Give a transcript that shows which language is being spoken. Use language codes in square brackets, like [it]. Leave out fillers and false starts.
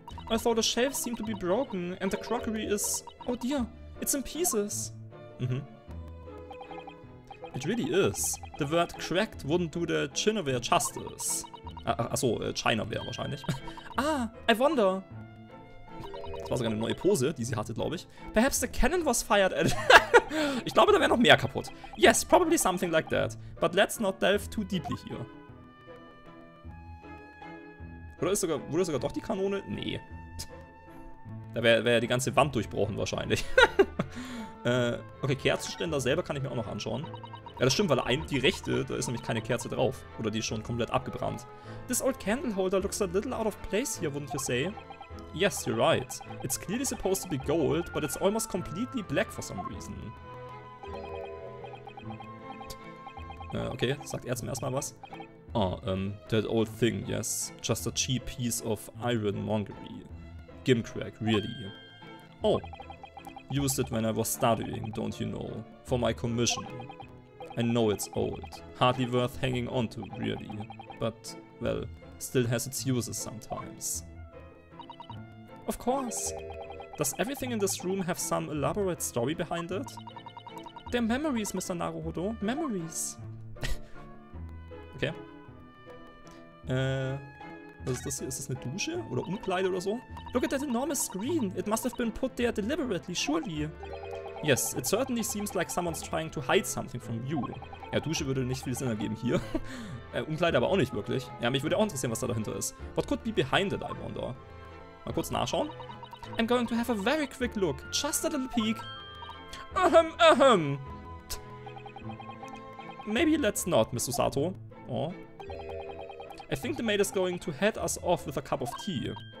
[en] I thought the shelves seemed to be broken and the crockery is... Oh dear, it's in pieces. It really is. The word cracked wouldn't do the chinaware justice. [de] Chinaware wahrscheinlich. [en] Ah, I wonder. [de] Das war sogar eine neue Pose, die sie hatte, glaube ich. [en] Perhaps the cannon was fired at... [de] Ich glaube, da wäre noch mehr kaputt. [en] Yes, probably something like that. But let's not delve too deeply here. [de] Oder ist sogar, wurde sogar doch die Kanone? Nee. Da wäre die ganze Wand durchbrochen wahrscheinlich. okay, Kerzenständer selber kann ich mir auch noch anschauen. Ja, das stimmt, weil die rechte, da ist nämlich keine Kerze drauf. Oder die ist schon komplett abgebrannt. [en] This old candle holder looks a little out of place here, wouldn't you say? Yes, you're right. It's clearly supposed to be gold, but it's almost completely black for some reason. [de] Okay, sagt er zum ersten Mal was. [en] Ah, that old thing, yes. Just a cheap piece of ironmongery. Gimcrack, really. Oh. Used it when I was studying, don't you know? For my commission. I know it's old. Hardly worth hanging on to, really. But, well, still has its uses sometimes. Of course. Does everything in this room have some elaborate story behind it? They're memories, Mr. Naruhodo. Memories. Okay. [de] Was ist das hier? Ist das eine Dusche? Oder Umkleide oder so? [en] Look at that enormous screen. It must have been put there deliberately, surely. Yes, it certainly seems like someone's trying to hide something from you. [de] Ja, Dusche würde nicht viel Sinn ergeben hier. Umkleide aber auch nicht wirklich. Ja, mich würde auch interessieren, was da dahinter ist. [en] What could be behind it, I wonder? [de] Mal kurz nachschauen. [en] I'm going to have a very quick look. Just a little peek. Ahem, ahem. Maybe let's not, Mr. Sato. Oh. I think the maid is going to head us off with a cup of tea.